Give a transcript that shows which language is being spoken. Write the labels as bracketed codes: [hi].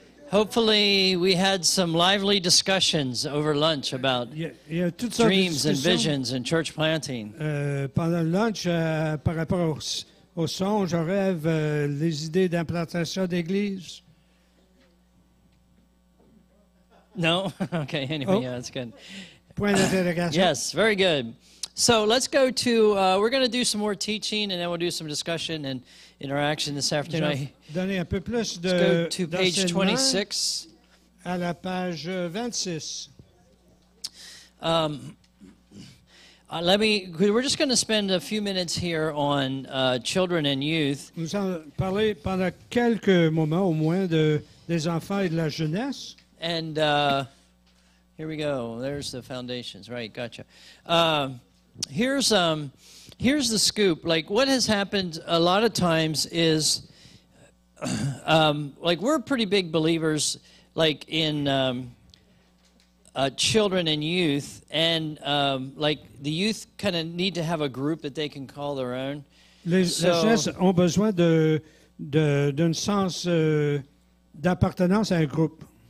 [en] Hopefully, we had some lively discussions over lunch about dreams and visions and church planting. [fr] Pendant le lunch, par rapport aux songes, aux rêves, les idées d'implantation d'église. [en] No? Okay, anyway, yeah, that's good. [fr] Point d'interrogation. [en] Yes, very good. So let's go to, we're going to do some more teaching and then we'll do some discussion and interaction this afternoon. [fr] Je vais donner un peu plus de, [en] let's go to page 26. [fr] À la page 26. [en] We're just going to spend a few minutes here on children and youth. [fr] Nous allons parler pendant quelques moments au moins de, des enfants et de la jeunesse. [en] And here we go. There's the foundations. Right, gotcha. Here's the scoop. Like, what has happened a lot of times is, like, we're pretty big believers, like, in children and youth, and, like, the youth kind of need to have a group that they can call their own. [fr] Les jeunes ont besoin d'un sens d'appartenance à un groupe.